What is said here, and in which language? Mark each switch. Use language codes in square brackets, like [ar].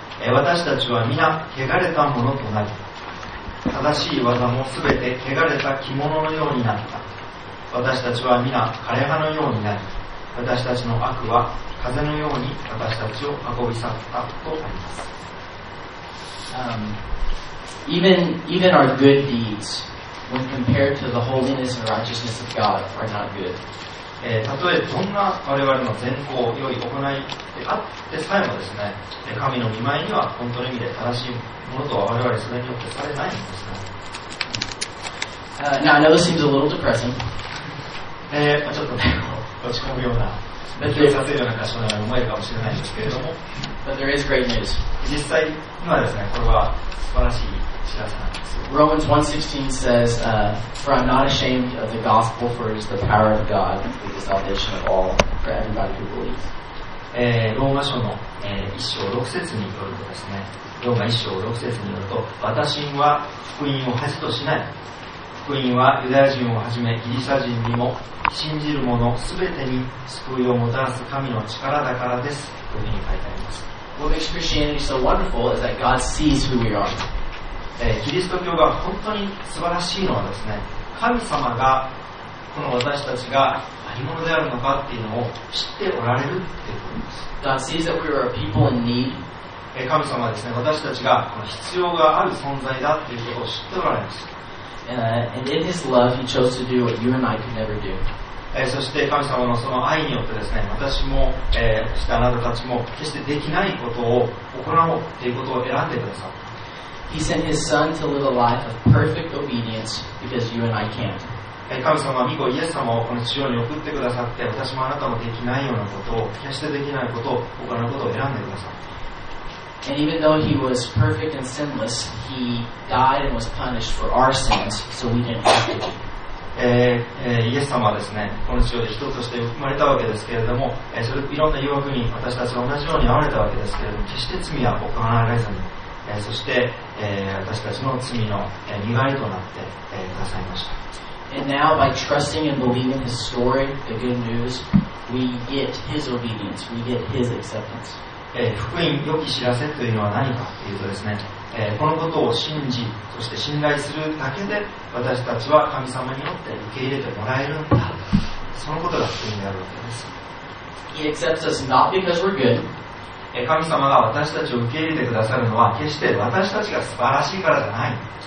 [ja] 私たちは皆汚れたものとなり、正しい技もすべて汚れた着物のようになった。私たちは皆枯れ葉のようになり、私たちの悪は風のように私たちを運び去ったとあります。 [en] Even our good deeds, when compared to the holiness and righteousness of God, are not good. [ja] たとえどんな我々の善行、良い行いであってさえもですね、神の御前には本当の意味で正しいものとは我々それによってされないんですね。 [en] Now I know this seems a little depressing. [ja] ちょっとね、落ち込むような、気をさせるような箇所のように思えるかもしれないんですけれども、 [en] But there is great news. [ja] 実際、今ですね、これは素晴らしい知らせなんです。 [en] Romans 1:16 says, For I'm not ashamed of the gospel, for it is the power of God, for the salvation of all, for everybody who believes. [ja] ローマ書の、1章6節によるとですね、ローマ1章6節によると、私は福音を恥としない。福音はユダヤ人をはじめギリシャ人にも信じる者すべてに救いをもたらす神の力だからですというふうに書いてあります。 [en] What makes Christianity so wonderful is that God sees who we are. [ja] キリスト教が本当に素晴らしいのはですね、神様がこの私たちが何者であるのかっていうのを知っておられるっていうことです。 [en] God sees that we are people in need. [ja] 神様はですね、私たちがこの必要がある存在だっていうことを知っておられます。 [en] And in His love, He chose to do what you and I could never do. [ja] そして神様のその愛によってですね、私も、そしてあなたたちも決してできないことを行おうということを選んでください。 [en] He sent His Son to live a life of perfect obedience because you and I can't. [ja] 神様は御子イエス様をこの地上に送ってくださって、私もあなたもできないようなことを、決してできないことを行うことを選んでください。 [en] And even though he was perfect and sinless, he died and was punished for our sins, so we didn't have to. [ja] イエス様はですね、この地上で人として生まれたわけですけれども、それいろんな誘惑に私たちは同じように遭われたわけですけれども、決して罪は行われずに、そして、私たちの罪の身代わりとなって、くださいました。 [en] And now, by trusting and believing his story, the good news, we get his obedience, we get his acceptance. [ja] 福音、良き知らせというのは何かというとですね、このことを信じ、そして信頼するだけで私たちは神様によって受け入れてもらえるんだ。そのことが福音であるわけです。 [en] He accepts us not because we're good. [ja] 神様が私たちを受け入れてくださるのは決して私たちが素晴らしいからじゃない。